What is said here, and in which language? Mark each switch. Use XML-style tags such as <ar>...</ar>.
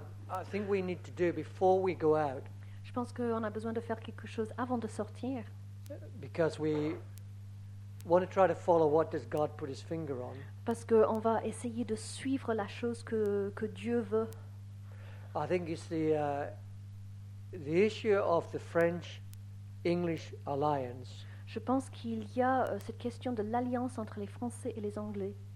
<en>I think we need to do before we go out.</en> <fr>Je pense qu'on a besoin de faire quelque chose avant de sortir.</fr> <en>Because we want to try to follow what does God put His finger on.</en> <fr>Parce qu'on va essayer de suivre la chose que Dieu veut.</fr> <en>I think it's the issue of the French-English alliance.</en> <fr>Je pense qu'il y a cette question de l'alliance entre les Français et les Anglais.</fr>